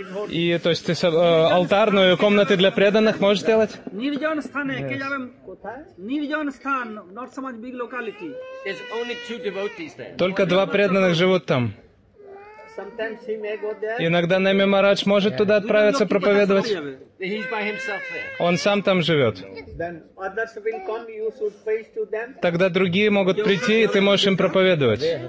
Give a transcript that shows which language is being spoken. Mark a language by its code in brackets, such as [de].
[ru] И то есть ты алтарную комнату для преданных можешь сделать? [en] Нивидан стан, not so much big locality. There's only two devotees there. [ru] Только два преданных живут там. [en] Sometimes he may go there. [ru] Иногда Нами Марадж может туда отправиться проповедовать. [en] He's by himself there. [ru] Он сам там живет. [en] Then others will come, you should preach to them. [ru] Тогда другие могут прийти, и ты можешь им проповедовать.